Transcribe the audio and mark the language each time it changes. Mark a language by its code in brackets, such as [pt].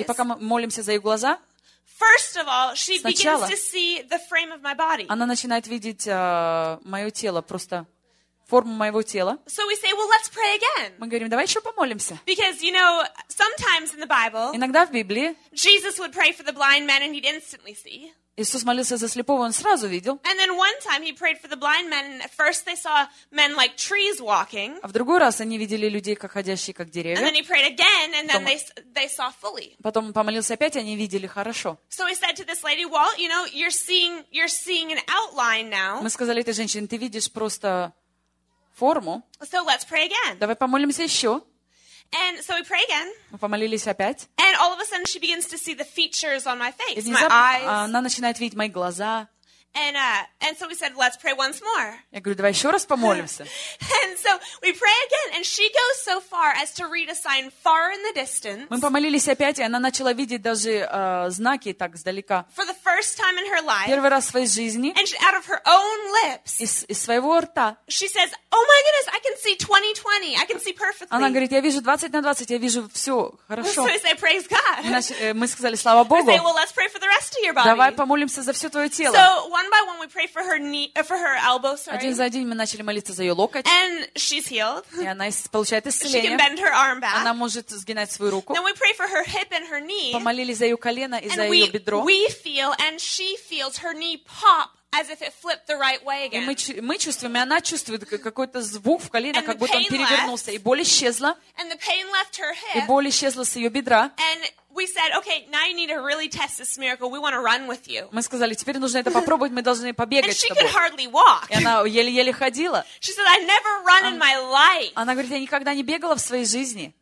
[ru] и пока мы молимся за ее глаза, [en] first of all, she begins to see the frame of my body. [ru] Она начинает видеть мое тело, просто форму моего тела. [en] So we say, well, let's pray again. [ru] Мы говорим, давай еще помолимся. [en] Because, you know, sometimes in the Bible, [ru] иногда в Библии, [en] Jesus would pray for the blind man and he'd instantly see. [ru] Иисус молился за слепого, он сразу видел. [en] And then one time he prayed for the blind men and at first they saw men like trees walking. [ru] А в другой раз они видели людей, как ходящие, как деревья. [en] And then he prayed again and then they saw fully. [ru] Потом помолился опять, они видели хорошо. [en] So he said to this lady, well, you know, you're seeing an outline now. [ru] Мы сказали этой женщине, ты видишь просто форму. [en] So let's pray again. [ru] Давай помолимся еще. [en] And so we pray again. [ru] Мы помолились опять. [en] And all of a sudden she begins to see the features on my face, [ru] и внезапно, [en] my eyes. [ru] Она начинает видеть мои глаза. [en] And so we said, let's pray once more. [ru] Я говорю, давай еще раз помолимся. [en] And so we pray again, and she goes so far as to read a sign far in the distance. [ru] Мы помолились опять, и она начала видеть даже знаки так сдалека. [en] For the first time in her life. [ru] Первый раз в своей жизни. [en] And she, out of her own lips. [ru] Из своего рта. [en] She says, oh my goodness, I can see 20/20. I can see perfectly. [ru] Она говорит, я вижу 20/20, я вижу все хорошо. [en] So we say, praise God. [ru] Мы сказали, слава Богу. [en] We say, well, let's pray for the rest of your body. [ru] Давай помолимся за все твое тело. [en] So, one by one, we pray for her knee, for her elbow. Sorry. [ru] Один за один мы начали молиться за ее локоть. [en] And she's healed. [ru] И она получает исцеление. [en] She can bend her arm back. [ru] Она может сгинать свою руку. [en] Then we pray for her hip and her knee. [ru] Помолились за ее колено и за ее бедро. [en] And we feel, and she feels her knee pop as if it flipped the right way again. [ru] И мы чувствуем, и она чувствует какой-то звук в колено, [en] and [ru] как будто он перевернулся, [en] left, [ru] и боль исчезла. [en] And the pain left her hip. [ru] И боль исчезла с ее бедра. [en] And we said, okay, now you need to really test this miracle. We want to run with you. [ru] Мы сказали, теперь нужно это попробовать. Мы должны побегать. [en] And she could hardly walk. [ru] И она еле-еле ходила. [en] She said, I never run in my life. [ru] Она говорит, я никогда не бегала в своей жизни.